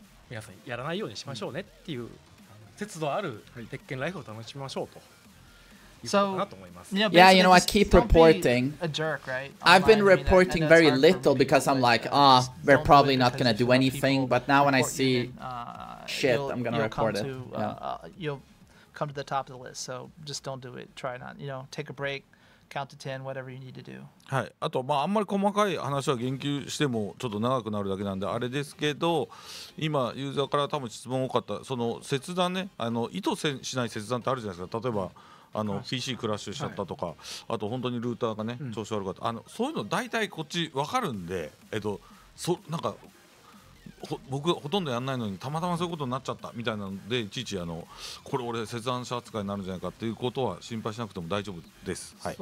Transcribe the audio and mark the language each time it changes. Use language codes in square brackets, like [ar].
[ja] 皆さんやらないようにしましょうねっていう節度ある鉄拳ライフを楽しみましょうと。 [en] So, yeah, you know, I keep reporting. I've been reporting very little because I'm like, ah, we're probably not going to do anything. But now when I see shit, I'm going to report it. You'll come to the top of the list. So just don't do it. Try not, you know, take a break. Count to 10, whatever you need to do. [ja] はい、あと、まあ、あんまり細かい話は言及してもちょっと長くなるだけなんであれですけど、今ユーザーから多分質問多かったその切断ね、意図せしない切断ってあるじゃないですか。例えばPC クラッシュしちゃったとか、はい、あと本当にルーターがね調子悪かった、うん、そういうの大体こっち分かるんで、なんか僕ほとんどやんないのにたまたまそういうことになっちゃったみたいなのでいちいちこれ俺切断者扱いになるんじゃないかっていうことは心配しなくても大丈夫です、はい、